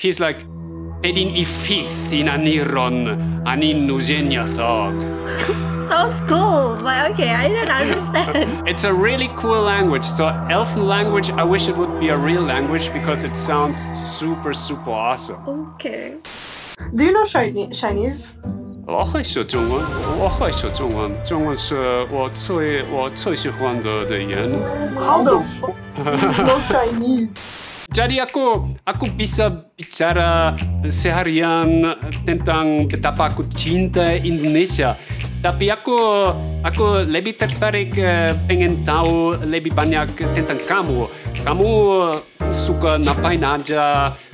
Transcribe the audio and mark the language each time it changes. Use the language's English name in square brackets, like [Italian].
[English] He's like, Pedin ifith in an iron, an in nuzenia thog. Sounds cool, but okay, I don't understand. It's a really cool language. So, Elfin language, I wish it would be a real language because it sounds super, super awesome. Okay. Do you know Chinese? [Chinese] 我会说中文，我会说中文。中文是我最喜欢的语言。 [English] How the fuck? No Chinese. [Indonesian] Jadi aku bisa bicara seharian tentang betapa aku cinta Indonesia. Tapi aku lebih tertarik pengen tahu lebih banyak tentang kamu. Kamu suka ngapain aja?